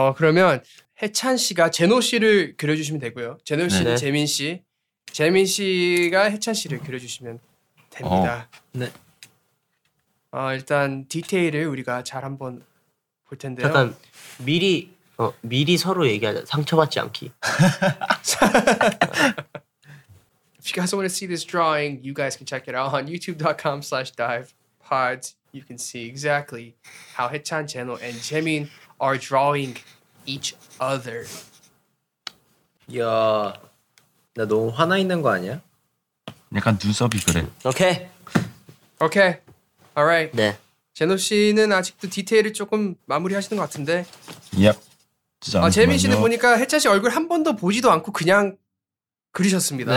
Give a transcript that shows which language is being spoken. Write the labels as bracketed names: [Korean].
[Korean] 그러면 해찬 씨가 제노 씨를 그려주시면 되고요. 제노 씨는 네. 재민 씨. 재민 씨가 해찬 씨를 그려주시면 됩니다. 네. 일단 디테일을 우리가 잘 한번 볼 텐데요. 약간 미리 서로 얘기하자. 상처받지 않기. [English] If you guys want to see this drawing, you guys can check it out on youtube.com/divepods. You can see exactly how Haechan, Jaeno, and Jaemin are drawing each other. [Korean] 야, 나 너무 화나 있는 거 아니야? 약간 눈썹이 그래. [English] 오케이. Okay. 오케이. Okay. Alright. [Korean] 네. 제노 씨는 아직도 디테일을 조금 마무리하시는 것 같은데. 얍. 아 재민 씨는 보니까 해찬 씨 얼굴 한 번도 보지도 않고 그냥 그리셨습니다.